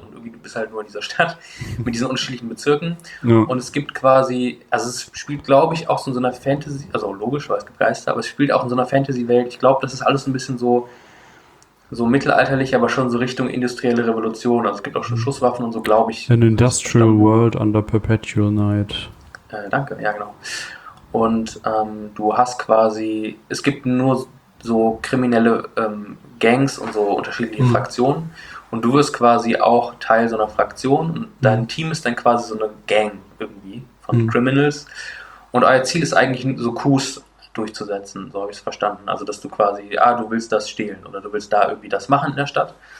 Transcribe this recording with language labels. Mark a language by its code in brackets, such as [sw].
[de] Und irgendwie bist du halt nur in dieser Stadt mit diesen unterschiedlichen Bezirken. Ja. Und es gibt quasi, also es spielt, glaube ich, auch so in so einer Fantasy, also logisch, weil es gibt Geister, aber es spielt auch in so einer Fantasy-Welt. Ich glaube, das ist alles ein bisschen so mittelalterlich, aber schon so Richtung industrielle Revolution. Also es gibt auch schon Schusswaffen und so, glaube ich. [en] An industrial world under perpetual night. [de] Danke, ja genau. Und du hast quasi, es gibt nur so kriminelle Gangs und so unterschiedliche Fraktionen und du wirst quasi auch Teil so einer Fraktion und dein Team ist dann quasi so eine Gang irgendwie von Criminals und euer Ziel ist eigentlich so Coups durchzusetzen, so habe ich es verstanden, also dass du quasi, du willst das stehlen oder du willst da irgendwie das machen in der Stadt